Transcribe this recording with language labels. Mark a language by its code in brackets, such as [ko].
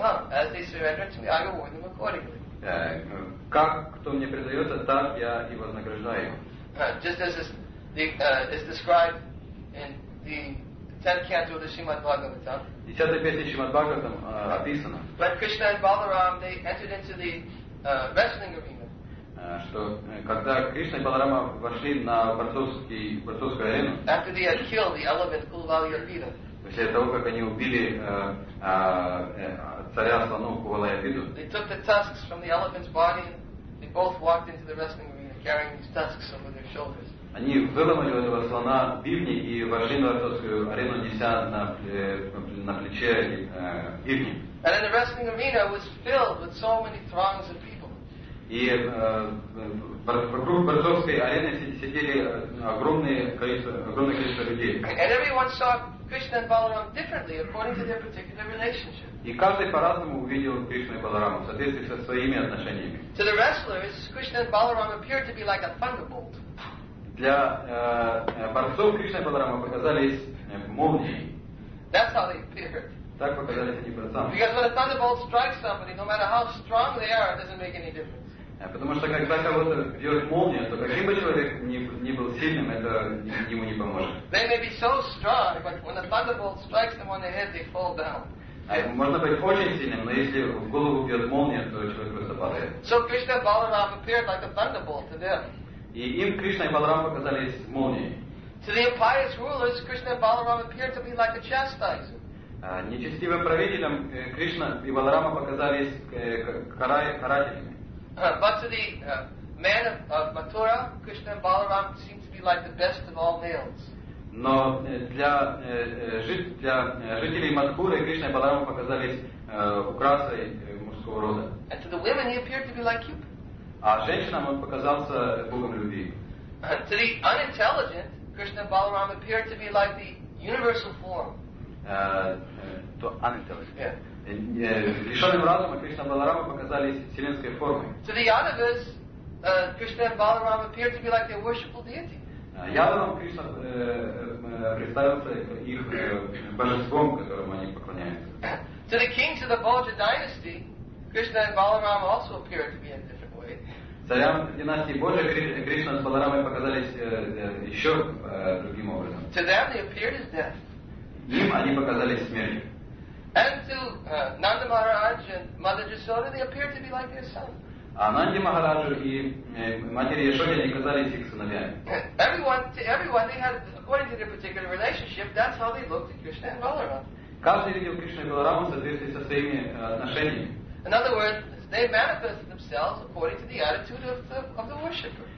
[en] As they surrender to Me, I reward them accordingly. [ru] Как кто мне предается, так я и вознаграждаю. [en] Just as is described in the 10th canto of the Srimad Bhagavatam. [ru] 10th песня Шримад Бхагаватам описана. [en] But Krishna and Balaram, they entered into the wrestling arena. [ru] Что когда Кришна и Баларама вошли на борцовскую арену, [en] after they had killed the elephant Kulavalayapida, [ru] после того, как они убили царя слонов Кулавалаяпиду, [en] they took the tusks from the elephant's body and they both walked into the wrestling arena carrying these tusks over their shoulders. [ru] Они выломали у этого слона бивни и вошли на борцовскую арену, неся на плече бивни. [en] And in the wrestling arena was filled with so many throngs of people. [ru] И вокруг борцовской арены сидели огромное количество людей. [en] And everyone saw Krishna and Balaram differently according to their particular relationship. [ru] И каждый по-разному увидел Кришну и Баларама в соответствии со своими отношениями. [en] To the wrestlers, Krishna and Balaram appeared to be like a thunderbolt. [ru] Для борцов Кришна и Баларама показались молнией. [en] That's how they appeared. [ru] Так показались они борцам. [en] Because when a thunderbolt strikes somebody, no matter how strong they are, it doesn't make any difference. [ru] Потому что когда кого-то бьет молния, то каким бы человек ни был сильным, это ему не поможет. [en] They may be so strong, but when a thunderbolt strikes them on the head, they fall down. [ru] Можно быть очень сильным, но если в голову бьет молния, то человек просто падает. [en] So Krishna Balaram appeared like a thunderbolt to them. [ru] И им Кришна и Баларам показались молнией. [en] To the impious rulers, Krishna and Balaram appeared to be like a chastiser. [ru] Нечестивым правителям Кришна и Баларама показались карателями. [en] But to the man of Mathura, Krishna and Balaram seem to be like the best of all males. [ru] Но для жителей Мадхуры Кришна и Баларама показались украсой мужского рода. [en] And to the women he appeared to be like you. [ru] А женщинам он показался богом любви. [en] To the unintelligent, Krishna and Balaram appeared to be like the universal form. To unintelligent. Yeah. [ru] Лишенным разума Кришна и Баларама показались вселенской формой. [en] To the Yadavas, Krishna and Balaram appeared to be like their worshipful deity. [ru] Ядовам Кришна представился их божеством, которому они поклоняются. [en] To the kings of the Bhoja dynasty, Krishna and Balaram also appeared to be in different ways. [ru] Царям династии Боджа Кришна с Баларамой показались еще другим образом. [en] To them they appeared as death. [ru] Им они показались смертью. [en] And to Nanda Maharaj and Mother Yashoda, they appeared to be like their son. [ru] А Нанди Махараджу и матери Яшоде они казались их сыновьями. [en] Everyone, to everyone, they had, according to their particular relationship, that's how they looked at Krishna and Balarama. [ru] Каждый видел Кришну и Баларама в соответствии со своими отношениями. [en] In other words, they manifested themselves according to the attitude of the worshipper.